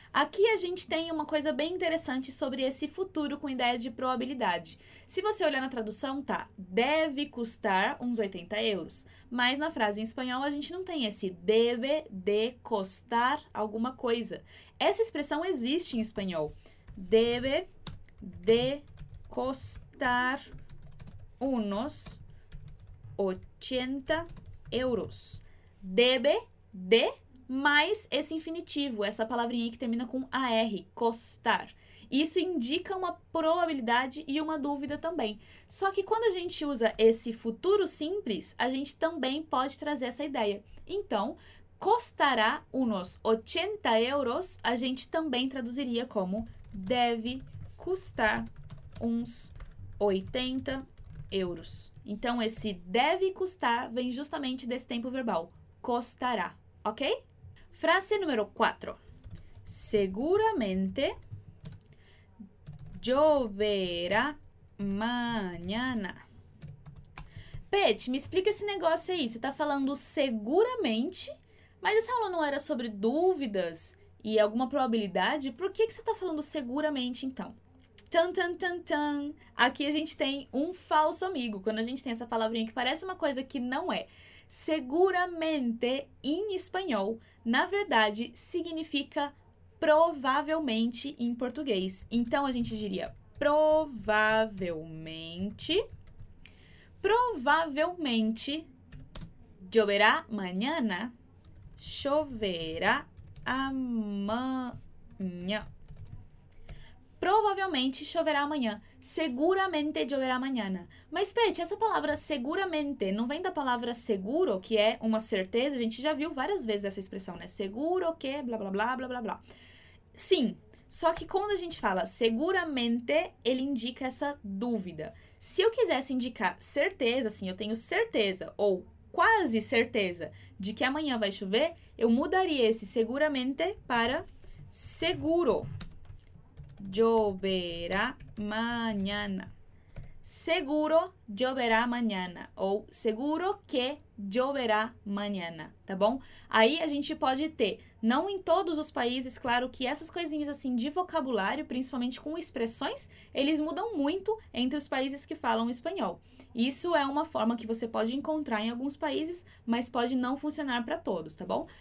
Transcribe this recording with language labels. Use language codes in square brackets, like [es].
[pt] Aqui a gente tem uma coisa bem interessante sobre esse futuro com ideia de probabilidade. Se você olhar na tradução, tá, deve custar uns 80 euros. Mas na frase em espanhol a gente não tem esse [es] debe de costar [pt] alguma coisa. Essa expressão existe em espanhol. [es] Debe de costar unos 80 euros. [pt] Debe de mais esse infinitivo, essa palavrinha que termina com AR, costar. Isso indica uma probabilidade e uma dúvida também. Só que quando a gente usa esse futuro simples, a gente também pode trazer essa ideia. Então, [es] costará unos 80 euros, [pt] a gente também traduziria como deve custar uns 80 euros. Então, esse deve custar vem justamente desse tempo verbal, costará, ok? Frase número 4. [es] Seguramente lloverá mañana. [pt] Pet, me explica esse negócio aí. Você está falando seguramente, mas essa aula não era sobre dúvidas e alguma probabilidade? Por que que você está falando seguramente, então? Tan, tan, tan, tan. Aqui a gente tem um falso amigo. Quando a gente tem essa palavrinha que parece uma coisa que não é. Seguramente, em espanhol, na verdade, significa provavelmente em português. Então, a gente diria provavelmente, provavelmente, [es] lloverá mañana, [pt] choverá amanhã. Provavelmente choverá amanhã. [es] Seguramente [pt] choverá [es] mañana. [pt] Mas, Pet, essa palavra seguramente não vem da palavra seguro, que é uma certeza? A gente já viu várias vezes essa expressão, né? Seguro que blá, blá, blá, blá, blá, blá. Sim, só que quando a gente fala seguramente, ele indica essa dúvida. Se eu quisesse indicar certeza, assim, eu tenho certeza ou quase certeza de que amanhã vai chover, eu mudaria esse seguramente para seguro. [es] Lloverá mañana. Seguro lloverá mañana. Ou seguro que lloverá mañana. [pt] Tá bom? Aí a gente pode ter, não em todos os países, claro que essas coisinhas assim de vocabulário, principalmente com expressões, eles mudam muito entre os países que falam espanhol. Isso é uma forma que você pode encontrar em alguns países, mas pode não funcionar para todos, tá bom?